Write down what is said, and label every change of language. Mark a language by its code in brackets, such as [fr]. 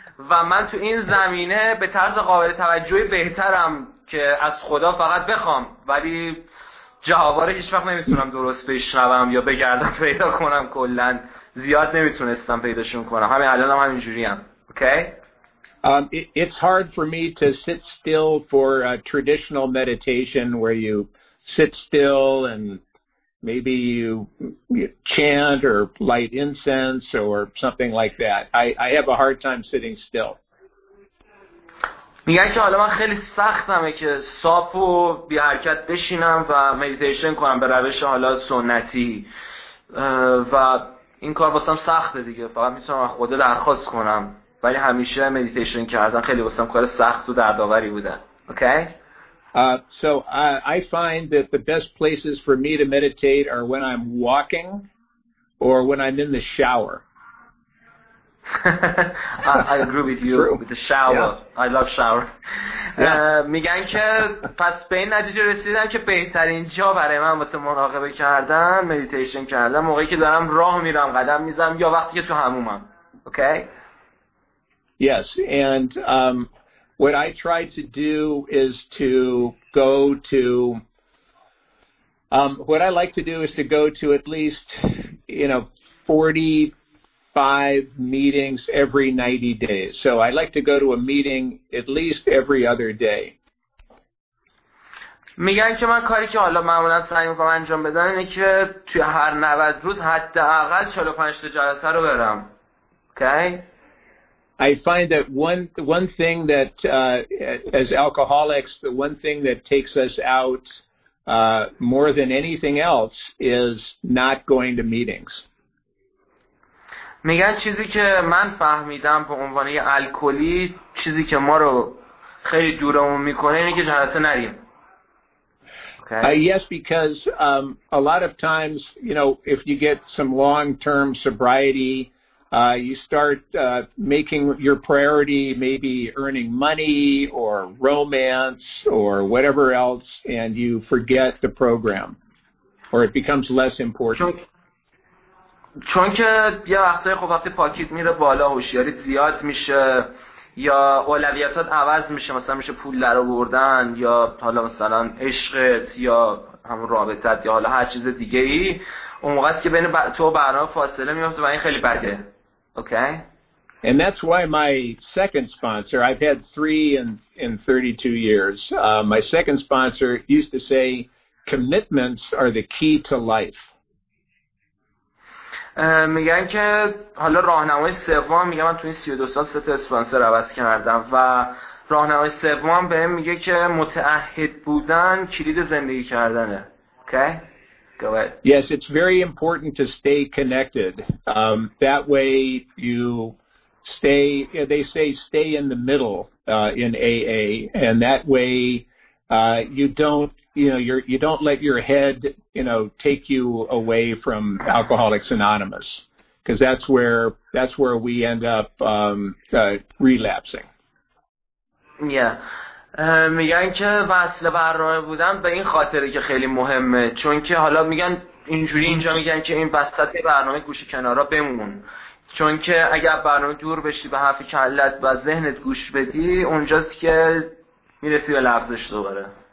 [fa] و من تو این زمینه به طرز قابل توجهی بهترم که از خدا فقط بخوام ولی جهاواره هیچ وقت نمیتونم درست بشنوم یا بگردم پیدا کنم، کلن زیاد نمیتونستم پیداشون کنم، همین الان هم همینجوری هم. [en] Okay? It's hard for me to sit still for a traditional meditation where you sit still and maybe you chant or light incense or something like that. I have a hard time sitting still. [fa] میگن که حالا من خیلی سختمه که صاف و بی حرکت بشینم و مدیتیشن کنم به روش حالا سنتی و این کار واسم سخته دیگه، فقط میتونم خود درخواست کنم ولی همیشه مدیتیشن کردن خیلی واسم کار سخت و دردآوری بوده. [en] Okay? So I find that the best places for me to meditate are when I'm walking or when I'm in the shower. I agree with you. True. With the shower. Yeah. I love shower. [fa] میگن که پس به این نتیجه رسیدم که بهترین جا برای من واسه مراقبه کردن مدیتیشن کردن موقعی که دارم راه میرم قدم میزنم یا وقتی که تو حمومم. [en] Okay? Yes, and what I try to do is to go to what I like to do is to go to at least, you know, 45 meetings every 90 days. So I like to go to a meeting at least every other day. [fa] میگن که من کاری که حالا معمولا سعی میکنم انجام بدم اینه که توی هر 90 روز حداقل 45 تا جلسه رو برم. [en] Okay? I find that one thing that as alcoholics, the one thing that takes us out more than anything else is not going to meetings. [fa] میگن چیزی که من فهمیدم به عنوان یه الکلی چیزی که ما رو خیلی دورمون میکنه اینه که جلسه نریم. [en] Yes, because a lot of times, you know, if you get some long-term sobriety, you start making your priority maybe earning money or romance or whatever else, and you forget the program, or it becomes less important. [fa] چون که یه وقتای خب وقتی پاکیت میره بالا هوشیاری زیاد میشه یا اولویتات عوض میشه، مثلا میشه پول در آوردن یا حالا مثلا عشقت یا همون رابطت یا حالا هر چیز دیگه ای، اون موقع که بین تو و برنامه فاصله میفته و این خیلی بده. [en] Okay. And that's why my second sponsor, I've had three in 32 years, my second sponsor used to say, commitments are the key to life. [fa] میگن که حالا راهنمای سوم، میگم من تو این 32 سال سه تا اسپانسر عوض کردم و راهنمای سوم بهم میگه که متعهد بودن کلید زندگی کردنه. [en] Okay? Go ahead. Yes, it's very important to stay connected. That way you stay, they say stay in the middle in AA, and that way you don't, you know, you don't let your head, you know, take you away from Alcoholics Anonymous, because that's where we end up relapsing. Yeah. [fa] میگن که وصل برنامه بودن به این خاطره که خیلی مهمه، چون که حالا میگن اینجوری اینجا میگن که این وسط برنامه گوش کنارا بمون، چون که اگر برنامه دور بشی به حرف کلت و ذهنت گوش بدی اونجاست که میرسی به لغزش دوباره.